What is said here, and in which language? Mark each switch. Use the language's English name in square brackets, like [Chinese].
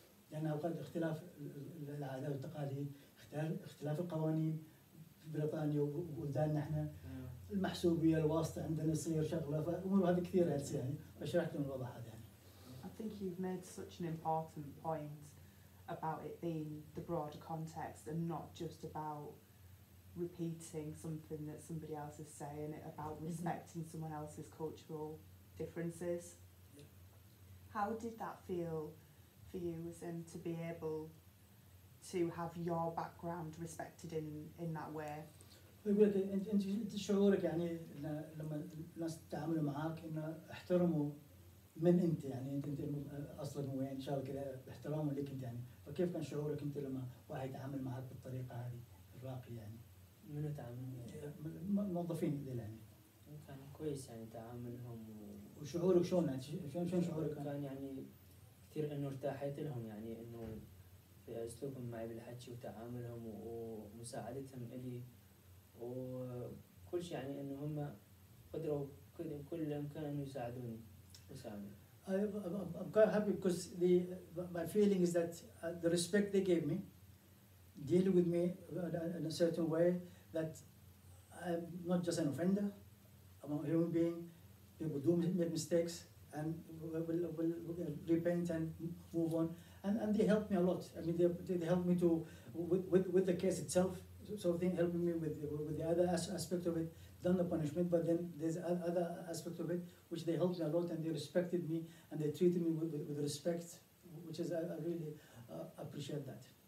[Arabic] لأن أوقات اختلاف العادات والتقاليد اختلاف القوانين في بريطانيا وبلداننا احنا المحسوبيه الواسطه عندنا يصير شغله فامور هذه كثيره هسه يعني فشرحت لهم الوضع هذا يعني. [English] I think you've made such an important point about it being the broader context and not just about repeating something that somebody else is saying, about respecting someone else's cultural differences. Yeah. How did that feel for you, as in, to be able to have your background respected in that way? [Arabic] يقول لك أنت شعورك يعني لما الناس تعاملوا معك إن احترموا من أنت يعني أنت أصلاً وين شال كذا احترام لك أنت يعني فكيف كان شعورك أنت لما واحد يتعامل معك بالطريقة هذه الراقية يعني من تعامل موظفين ذي يعني كان كويس يعني تعاملهم وشعورك شلون يعني شلون شعورك كان يعني كثير إنه ارتاحت لهم يعني إنه في أسلوبهم معي بالحكي وتعاملهم ومساعدتهم إلي وكل شيء يعني إنه هم قدروا كل إمكان إنه يساعدوني وساعدوني. [English] I'm quite happy because my feeling is that the respect they gave me, deal with me in a certain way that I'm not just an offender, I'm a human being. People do make mistakes. And we'll repent and move on, and they helped me a lot. I mean, they helped me to with the case itself, sort of thing, helping me with the other aspect of it, done the punishment, but then there's other aspect of it which they helped me a lot, and they respected me and they treated me with respect, which is I really appreciate that.